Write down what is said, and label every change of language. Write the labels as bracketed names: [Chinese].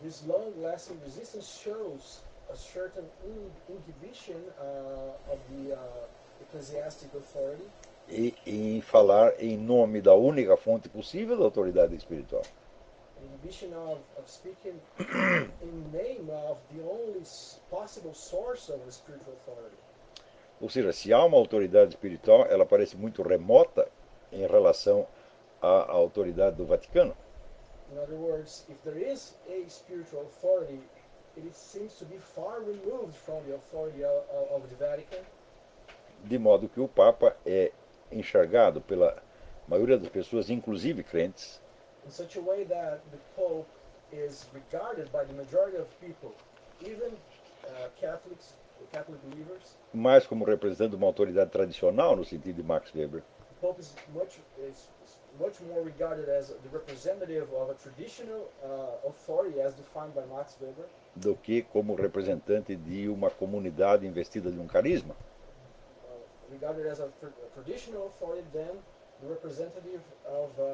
[English] This long-lasting resistance shows a certain inhibition of the ecclesiastic authority. [Portuguese] E em falar em nome da única fonte possível da autoridade espiritual. [English] Inhibition of speaking in name of the only possible source of the spiritual authority. [Portuguese] Ou seja, se há uma autoridade espiritual, ela parece muito remota em relação à autoridade do Vaticano. [English] In other words, if there is a spiritual authority, it seems to be far removed from the authority of the Vatican. [Portuguese] De modo que o Papa é enxergado pela maioria das pessoas, inclusive crentes, [English] in such a way that the Pope is regarded by the majority of people, even Catholics, Catholic believers, [Portuguese] mais como representando uma autoridade tradicional no sentido de Max Weber. [English] The Pope is much more regarded as the representative of a traditional authority as defined by Max Weber, [Portuguese] do que como representante de uma comunidade investida de um carisma. [English] Regarded as a traditional authority, then the representative of